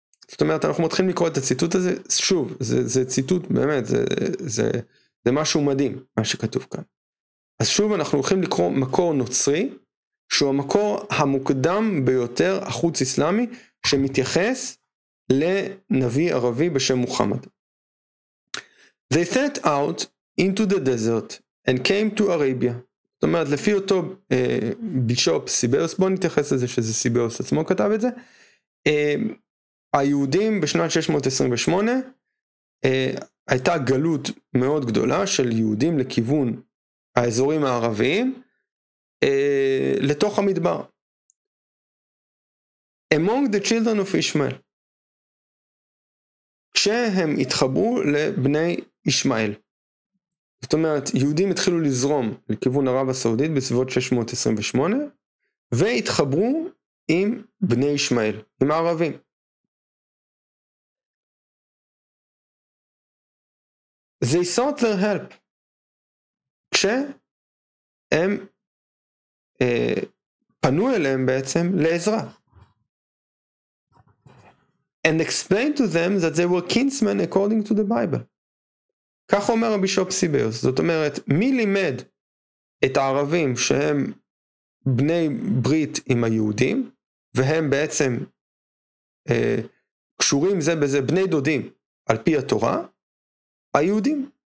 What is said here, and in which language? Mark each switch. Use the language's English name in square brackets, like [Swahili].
[Hebrew] זאת אומרת, אנחנו מתחילים לקרוא את הציטוט הזה, שוב, זה ציטוט, באמת, זה משהו מדהים, מה שכתוב כאן. אז שוב אנחנו הולכים לקרוא מקור נוצרי, שהוא המקור המוקדם ביותר, החוץ אסלאמי, שמתייחס לנביא ערבי בשם מוחמד. [English] They set out into the desert and came to Arabia. [Hebrew] זאת אומרת, לפי אותו בישופ סיבאיוס, בוא נתייחס לזה שזה סיבאיוס עצמו כתב את זה, היהודים בשנת 628, הייתה גלות מאוד גדולה של יהודים לכיוון האזורים הערביים, לתוך המדבר. [English] Among the children of Ishmael. [Hebrew] כשהם התחברו לבני ישמעאל. זאת אומרת, יהודים התחילו לזרום לכיוון ערב הסעודית בסביבות 628, והתחברו עם בני ישמעאל, עם הערבים. [English] They sought their help. [Hebrew] כשהם פנו אליהם בעצם לעזרה. [English] And explained to them that they were kinsmen according to the Bible. [Hebrew] כך אומר רבי שאו פסיביוס. זאת אומרת, מי לימד את הערבים שהם בני ברית עם היהודים, והם בעצם קשורים זה בזה, בני דודים, על פי התורה? היהודים.